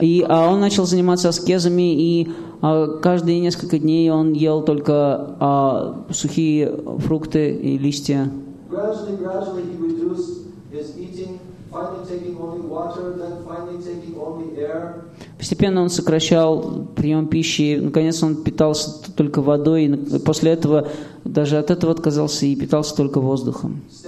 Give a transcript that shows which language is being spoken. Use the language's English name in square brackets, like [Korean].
[Russian] Он начал заниматься аскезами, и каждые несколько дней он ел только сухие фрукты и листья. [English] Gradually he reduced his eating, finally taking only water, then finally taking only air. [Russian] Постепенно он сокращал прием пищи, наконец он питался только водой, и после этого даже от этого отказался и питался только воздухом.